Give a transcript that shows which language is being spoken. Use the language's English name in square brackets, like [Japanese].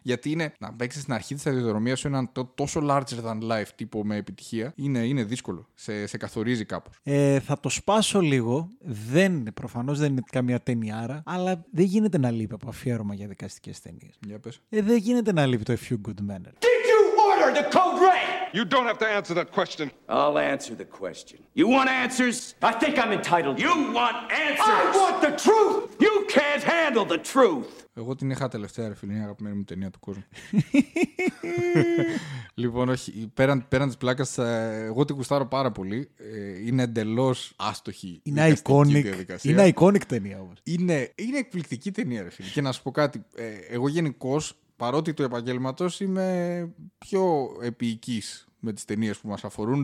[Greek] Γιατί είναι να παίξει στην αρχή της αδειοδρομίας σου έναν τόσο larger than life τύπο με επιτυχία. Είναι δύσκολο. Σε καθορίζει κάπως. Θα το σπάσω λίγο. Δεν, προφανώς δεν είναι καμία ταινιάρα, αλλά δεν γίνεται να λείπει από αφιέρωμα για δικαστικές ταινίες. Για πες. Δεν γίνεται να λείπει το A Few Good Men. [English] The code red. You don't have to answer that question. I'll answer the question. You want answers? I think I'm entitled. You want answers? I want the truth. You can't handle the truth. [Greek] Εγώ την είχα τελευταία, ρε φίλε, είναι η αγαπημένη μου ταινία του κόσμου. Λοιπόν, όχι, πέραν της πλάκας, εγώ την κουστάρω πάρα πολύ. Είναι εντελώς άστοχη. Είναι iconic. Διαδικασία. Είναι iconic ταινία όμως. Είναι εκπληκτική ταινία, ρε φίλε. Και να σου πω κάτι, εγώ γενικώς, παρότι του επαγγέλματος, είμαι πιο επιοικής με τις ταινίες που μας αφορούν.